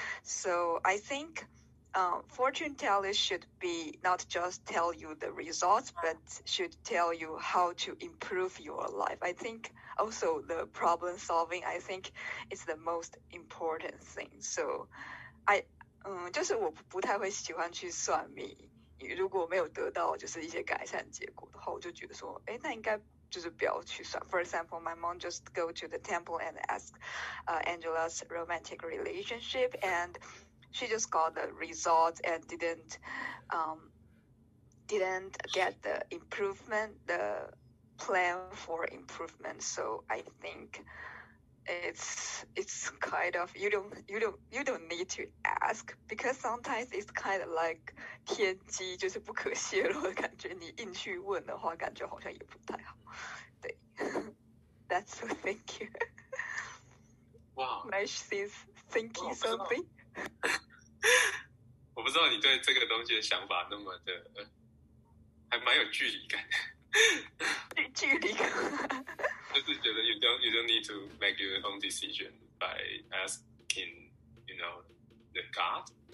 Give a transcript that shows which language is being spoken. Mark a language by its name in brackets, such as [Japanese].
[English] So I think, fortune tellers should be not just tell you the results, but should tell you how to improve your life. I think also the problem solving, I think it's the most important thing. So I, [Chinese] 就是我不太会喜欢去算命，如果没有得到就是一些改善结果的话，我就觉得说，诶，那应该就是不要去算。 [English] For example, my mom just go to the temple and ask Angela's romantic relationship, andShe just got the results and didn't get the improvement, the plan for improvement. So I think it's kind of, you don't need to ask, because sometimes it's kind of like [Chinese] 天机就是不可泄露的感觉，你硬去问的话感觉好像也不太好。对。 [English] That's so thank you. Wow. Mesh says thank you something. [Chinese] 我不知道你对这个东西的想法那么的还蛮有距离感。距离感。就是觉得 [English] you don't need to make your own decision by asking, you know, the God.